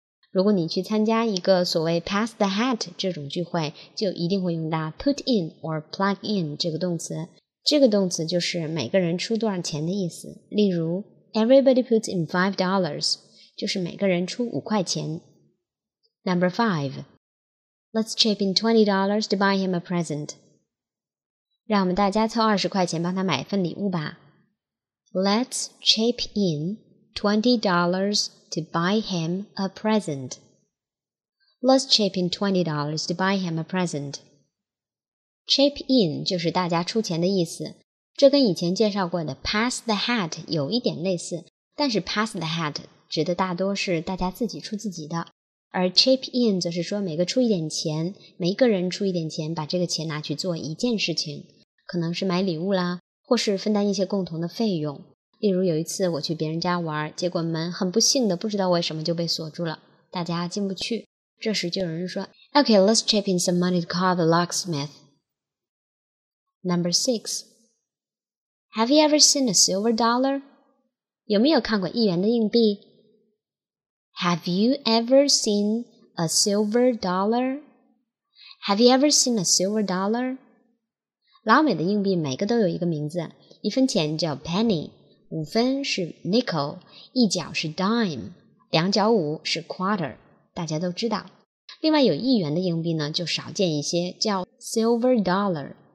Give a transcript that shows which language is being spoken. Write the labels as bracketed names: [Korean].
[Chinese] 如果你去参加一个所谓 [English] pass the hat [Chinese] 这种聚会就一定会用到 [English] put in or plug in [Chinese] 这个动词这个动词就是每个人出多少钱的意思例如 [English] Everybody puts in $5, [Chinese] 就是每个人出五块钱。 [English] Number 5. Let's chip in $20 to buy him a present. [Chinese] 让我们大家凑20块钱帮他买份礼物吧。 [English] Let's chip in $20 to buy him a present. Let's chip in $20 to buy him a present. [Chinese] Chip in 就是大家出钱的意思。这跟以前介绍过的 [English] pass the hat [Chinese] 有一点类似但是 pass the hat 指的大多是大家自己出自己的而 chip in 则是说每个出一点钱每一个人出一点钱把这个钱拿去做一件事情可能是买礼物啦或是分担一些共同的费用例如有一次我去别人家玩结果门很不幸的不知道为什么就被锁住了大家进不去这时就有人说 [English] OK let's chip in some money to call the locksmith Number 6Have you ever seen a silver dollar? [Chinese] 有没有看过一元的硬币? [English] Have you ever seen a silver dollar? Have you ever seen a silver dollar? [Chinese] 老美的硬币每个都有一个名字,一分钱叫 penny, 五分是 nickel, 一角是 dime, 两角五是 quarter, 大家都知道。另外有一元的硬币呢就少见一些叫 silver dollar。